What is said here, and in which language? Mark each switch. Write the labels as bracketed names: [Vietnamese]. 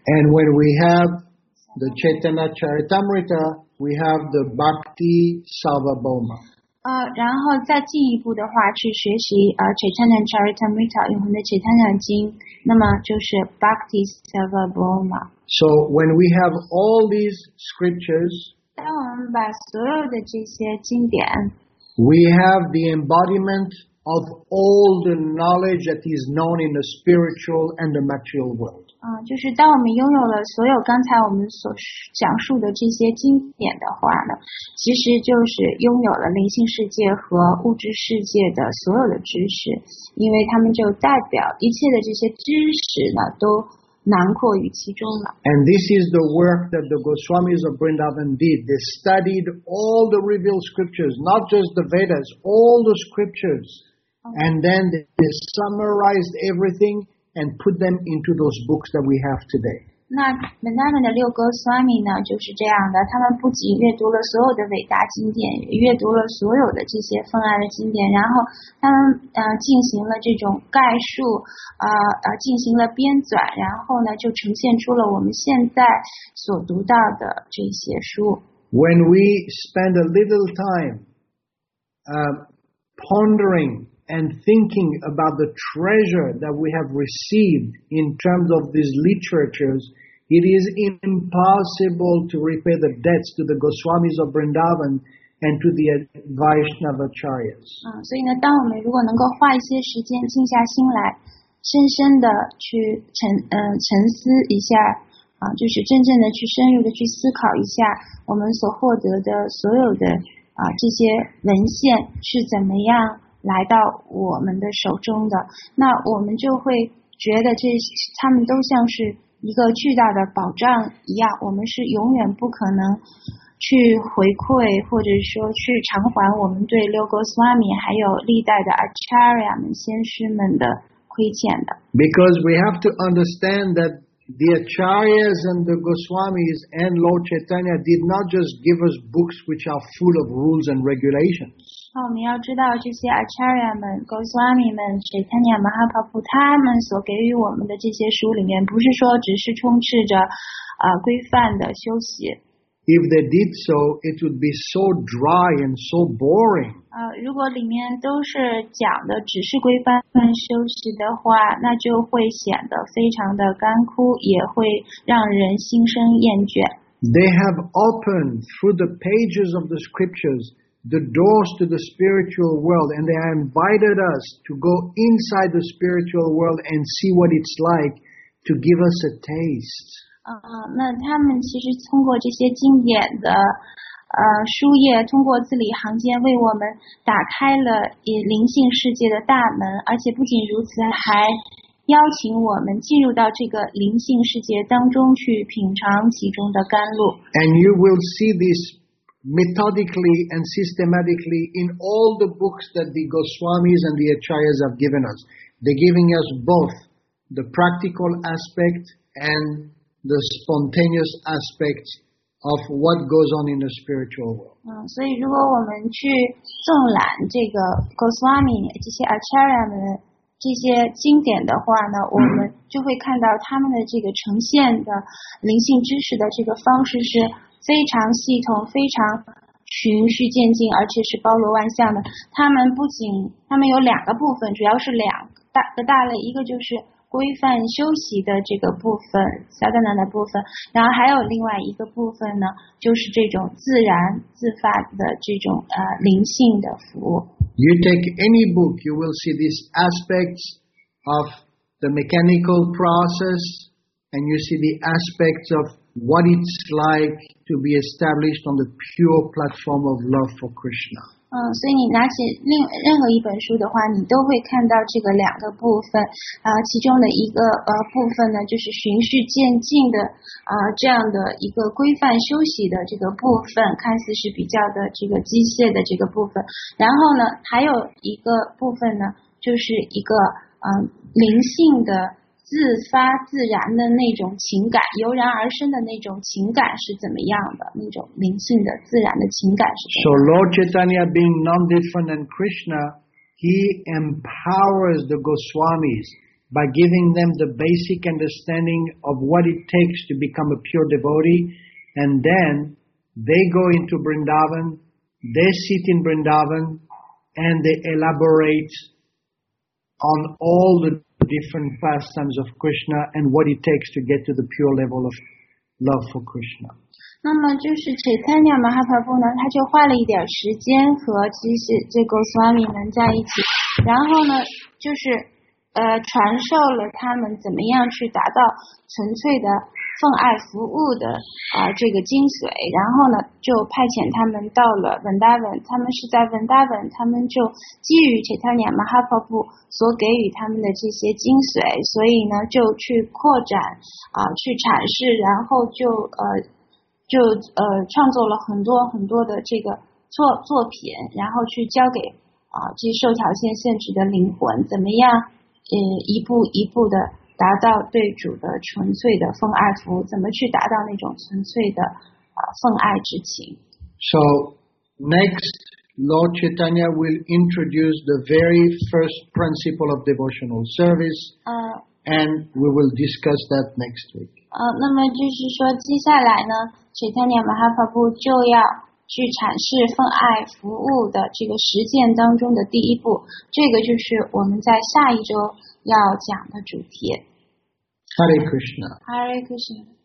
[English] And when we have the Chaitanya Charitamrita, we have the Bhakti Sarvabhauma. [Chinese] 然后再进一步的话去学习Chaitanya Charitamrita 永恒的 Chaitanya 经，那么就是 Bhakti Sarvabhauma。 [English] So when we have all these scriptures, [Chinese] 当我们把所有的这些经典 [English] we have the embodiment of all the knowledge that is known in the spiritual and the material world. [Chinese] 就是当我们拥有了所有刚才我们所讲述的这些经典的话呢，其实就是拥有了灵性世界和物质世界的所有的知识，因为他们就代表一切的这些知识呢都囊括于其中了。 [English] And this is the work that the Goswamis of Vrindavan did. They studied all the revealed scriptures, not just the Vedas, all the scriptures. And then they summarized everything and put them into those books that we have today. [Chinese] 那 Vrindavan 的六 Goswami 呢，就是这样的。他们不仅阅读了所有的伟大经典，阅读了所有的这些奉爱的经典，然后他们进行了这种概述，进行了编纂，然后呢，就呈现出了我们现在所读到的这些书。 [English] When we spend a little time pondering and thinking about the treasure that we have received in terms of these literatures, it is impossible to repay the debts to the Goswamis of Vrindavan and to the Vaishnava Acharyas. [Chinese] 所以呢，当我们如果能够花一些时间，静下心来，深深的去沉思一下，就是真正的去深入的去思考一下，我们所获得的所有的这些文献是怎么样来到我们的手中的，那我们就会觉得这他们都像是一个巨大的保障一样，我们是永远不可能去回馈或者说去偿还我们对六 Goswami 还有历代的 Acharya 们先师们的亏欠的。 [English] Because we have to understand that the Acharyas and the Goswamis and Lord Chaitanya did not just give us books which are full of rules and regulations. [Chinese] 我们要知道这些 Acharya 们 Goswami 们 Chaitanya Mahaprabhu 他们所给予我们的这些书里面不是说只是充斥着规范的修习。 [English] If they did so, it would be so dry and so boring. [Chinese] 如果里面都是讲的只是规范修习的话，那就会显得非常的干枯，也会让人心生厌倦。 [English] They have opened through the pages of the scriptures the doors to the spiritual world, and they have invited us to go inside the spiritual world and see what it's like to give us a taste. [Chinese] 那他们其实通过这些经典的书页，通过字里行间为我们打开了以灵性世界的大门，而且不仅如此，还邀请我们进入到这个灵性世界当中去品尝其中的甘露。 [English] And you will see this methodically and systematically in all the books that the Goswamis and the Acharyas have given us. They're giving us both the practical aspect and the spontaneous aspects of what goes on in the spiritual world. [Chinese] 所以如果我们去纵览这个 Goswami 这些 Acharya 们这些经典的话呢，我们就会看到他们的这个呈现的灵性知识的这个方式是非常系统，非常循序渐进，而且是包罗万象的。他们有两个部分，主要是两个大类，一个就是规范修习的这个部分 ，sadhana 的部分，然后还有另外一个部分呢，就是这种自然自发的这种灵性的服务。 [English] You take any book, you will see these aspects of the mechanical process, and you see the aspects of what it's like to be established on the pure platform of love for Krishna. [Chinese] 所以你拿起任何一本书的话，你都会看到这个两个部分，其中的一个部分呢，就是循序渐进的这样的一个规范修习的这个部分，看似是比较的这个机械的这个部分。然后呢，还有一个部分呢，就是一个灵性的自发自然的那种情感，由然而生的那种情感是怎么样的？那种灵性的自然的情感是怎么样的？ [English] So Lord Chaitanya, being non-different than Krishna, he empowers the Goswamis by giving them the basic understanding of what it takes to become a pure devotee, and then they go into Vrindavan, they sit in Vrindavan, and they elaborate on all theDifferent pastimes of Krishna and what it takes to get to the pure level of love for Krishna. [Chinese] 那么就是 Chaitanya Mahaprabhu 呢，他就花了一点时间和这 Goswami 们在一起，然后呢，就是传授了他们怎么样去达到纯粹的奉爱服务的这个精髓，然后呢，就派遣他们到了 Vrindavan， 他们是在 Vrindavan， 他们就基于 Chaitanya Mahaprabhu 所给予他们的这些精髓，所以呢，就去扩展去阐释，然后就创作了很多很多的这个作品，然后去交给这受条件限制的灵魂，怎么样一步一步的达到对主的纯粹的奉爱服务，怎么去达到那种纯粹的奉爱之情。 [English] So next, Lord Chaitanya will introduce the very first principle of devotional service, and we will discuss that next week. [Chinese] 那么就是说接下来呢， Chaitanya Mahaprabhu 就要去阐释奉爱服务的这个实践当中的第一步，这个就是我们在下一周要讲的主题。 [Sanskrit] Hare Krishna. Hare Krishna.